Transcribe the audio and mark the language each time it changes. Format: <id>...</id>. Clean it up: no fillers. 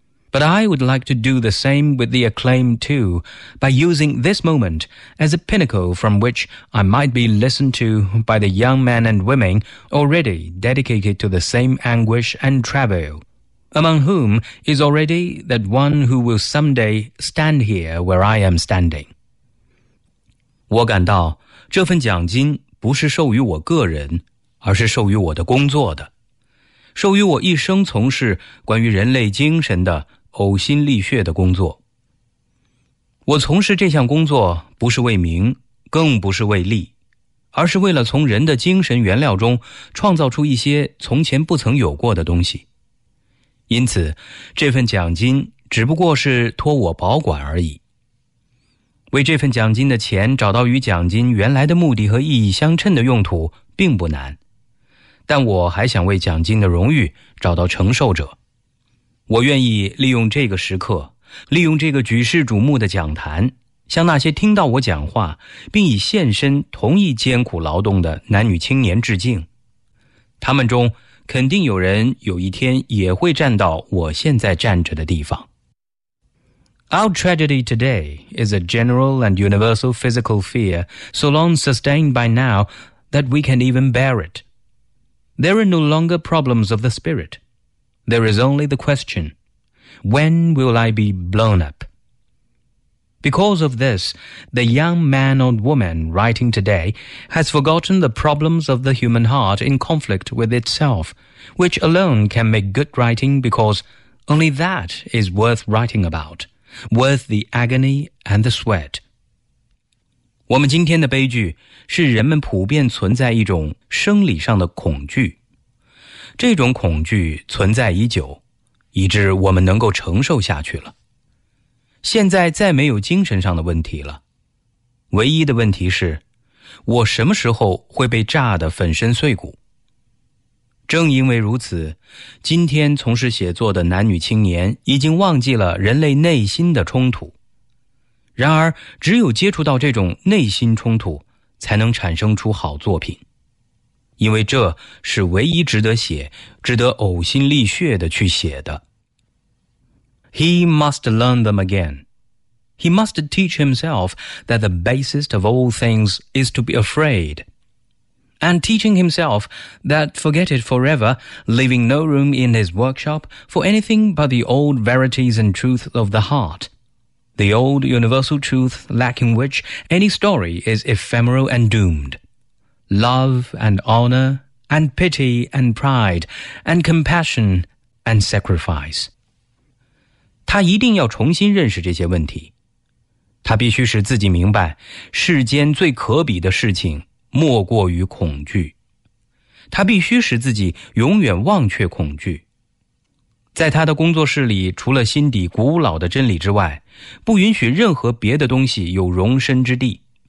<en>But I would like to do the same with the acclaim too by using this moment as a pinnacle from which I might be listened to by the young men and women already dedicated to the same anguish and travail, among whom is already that one who will someday stand here where I am standing.</en> <zh>我感到这份奖金不是授予我个人，而是授予我的工作的，授予我一生从事关于人类精神的呕心沥血的工作。我从事这项工作不是为名，更不是为利，而是为了从人的精神原料中创造出一些从前不曾有过的东西。因此，这份奖金只不过是托我保管而已。为这份奖金的钱找到与奖金原来的目的和意义相称的用途并不难，但我还想为奖金的荣誉找到承受者。我愿意利用这个时刻，利用这个举世瞩目的讲坛，向那些听到我讲话并已献身同一艰苦劳动的男女青年致敬。他们中肯定有人有一天也会站到我现在站着的地方。</zh> <en>Our tragedy today is a general and universal physical fear so long sustained by now that we can't even bear it. There are no longer problems of the spirit. There is only the question, when will I be blown up? Because of this, the young man or woman writing today has forgotten the problems of the human heart in conflict with itself, which alone can make good writing because only that is worth writing about, worth the agony and the sweat.</en> <zh>我们今天的悲剧是人们普遍存在一种生理上的恐惧。这种恐惧存在已久，以致我们能够承受下去了。现在再没有精神上的问题了。唯一的问题是，我什么时候会被炸得粉身碎骨？正因为如此，今天从事写作的男女青年已经忘记了人类内心的冲突。然而，只有接触到这种内心冲突，才能产生出好作品。因为这是唯一值得写，值得呕心沥血的去写的。</zh> <en>He must learn them again. He must teach himself that the basis of all things is to be afraid. And teaching himself that forget it forever, leaving no room in his workshop for anything but the old verities and truths of the heart. The old universal truth lacking which any story is ephemeral and doomed. Love and honor and pity and pride and compassion and sacrifice.</en> <zh>他一定要重新认识这些问题。他必须使自己明白世间最可比的事情莫过于恐惧。他必须使自己永远忘却恐惧。在他的工作室里除了心底古老的真理之外不允许任何别的东西有容身之地。</zh>